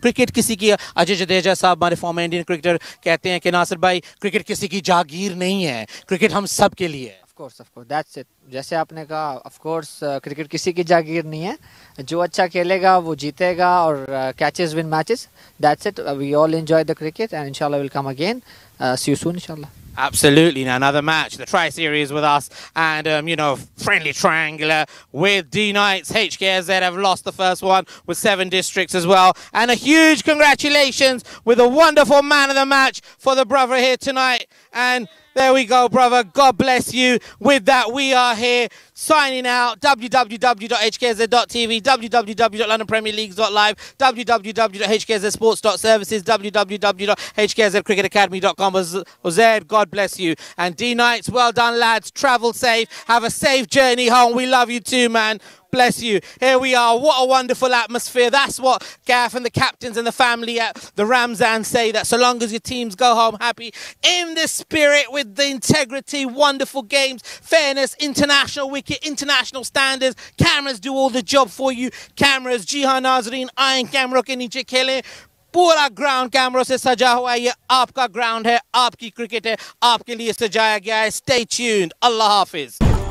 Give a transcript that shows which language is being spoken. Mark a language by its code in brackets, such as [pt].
[hi] Cricket किसी की, अजय जडेजा साहब हमारे [en] former Indian cricketer [hi] कहते हैं कि नासिर भाई, क्रिकेट किसी की जागीर नहीं है, क्रिकेट हम सब के लिए. [en] Of course that's it. जैसे आपने कहा, ऑफ कोर्स क्रिकेट किसी की जागीर नहीं है, जो अच्छा खेलेगा वो जीतेगा, और catches win matches, that's it. We all enjoy the cricket and इंशाल्लाह will come again, see you soon इंशाल्लाह. Absolutely. Now another match, the tri series with us, and you know, friendly triangular with D Knights. Hksz have lost the first one with seven districts as well, and a huge congratulations with a wonderful man of the match for the brother here tonight. And there we go, brother, God bless you. With that, we are here signing out. www.hksz.tv, www.londonpremierleagues.live, www.hksz.sports.services, www.hksz.cricketacademy.com. God bless you. And D Knights, well done, lads. Travel safe. Have a safe journey home. We love you too, man. Bless you. Here we are. What a wonderful atmosphere. That's what Gaff and the captains and the family at the Ramzan say, that so long as your teams go home happy, in the spirit, with the integrity, wonderful games, fairness, international wicket, international standards, cameras do all the job for you. [hi] Cameras, Jihan Nazreen, Iron Camera ke niche khele. पूरा ground कैमरों से सजा हुआ है. ये आपका ground है, आपकी क्रिकेट है, आपके लिए सजाया गया है. [en] Stay tuned. [hi] अल्लाह हाफिज़.